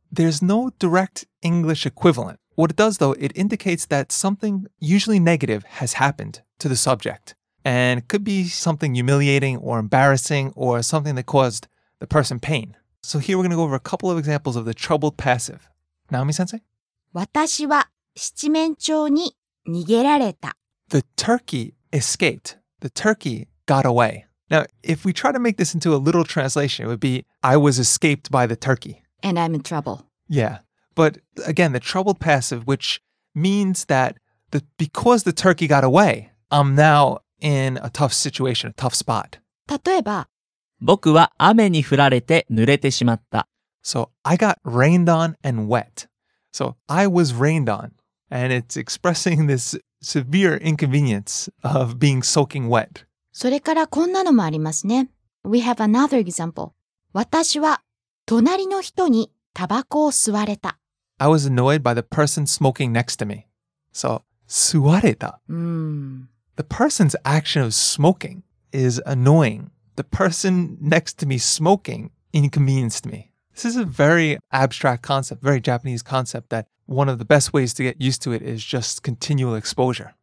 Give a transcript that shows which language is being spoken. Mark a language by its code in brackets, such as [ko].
[en] There's no direct English equivalent. What it does though, it indicates that something usually negative has happened. To the subject, and it could be something humiliating or embarrassing or something that caused the person pain. So here we're going to go over a couple of examples of the troubled passive. Naomi-sensei? [ja] 私は七面鳥に逃げられた。 [en] The turkey escaped. The turkey got away. Now, if we try to make this into a literal translation, it would be, I was escaped by the turkey. And I'm in trouble. Yeah. But again, the troubled passive, which means that the, because the turkey got away... I'm now in a tough situation, a tough spot. [ja] 例えば、僕は雨に降られて濡れてしまった。 So, I got rained on and wet. So, I was rained on. And it's expressing this severe inconvenience of being soaking wet. それからこんなのもありますね。 [en] We have another example. [ja] 私は隣の人にタバコを吸われた。 [en] I was annoyed by the person smoking next to me. So, 吸われた。The person's action of smoking is annoying. The person next to me smoking inconvenienced me. This is a very abstract concept, very Japanese concept that one of the best ways to get used to it is just continual exposure.